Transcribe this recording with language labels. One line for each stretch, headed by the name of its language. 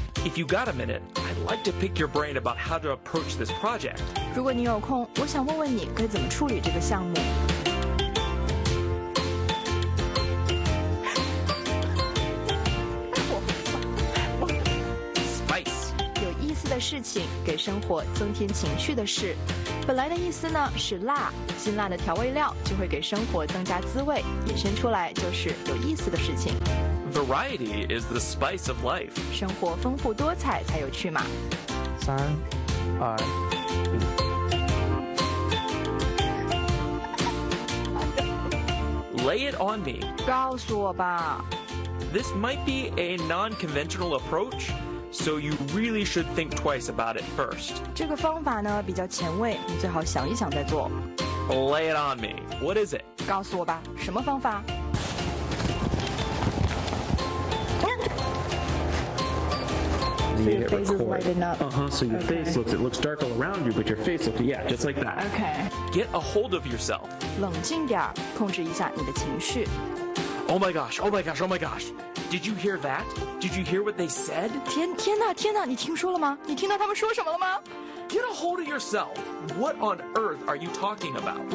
English: If you got a minute, I'd like to pick your brain about how to approach this project。
Chinese: 如果你有空，我想问问你该怎么处理这个项目。事情给生活增添情趣的事，本来的意思呢是辣，辛辣的调味料就会给生活增加滋味，引申出来就是有意思的事情。
English: Variety is the spice of life.
Chinese: 生活丰富多彩才有趣嘛。三，二，一。
English: Lay it on me.
Chinese: 告诉我吧。
English: This might be a non-conventional approach. So you really should think twice about it first.
Chinese: 这个方法呢比较前卫，你最好想一想再做。
English: Lay it on me. What is it?
Chinese: 告诉我吧，什么方法？
English: So your face looks dark all around you, but your face looks just like that. Okay. Get a hold of yourself.
Chinese: 冷静点，控制一下你的情绪。
English: Oh my gosh. Did you hear that? Did you hear what they said?
Chinese: 天哪，你听说了吗？你听到他们说什么了吗？
English: Get a hold of yourself. What on earth are you talking about?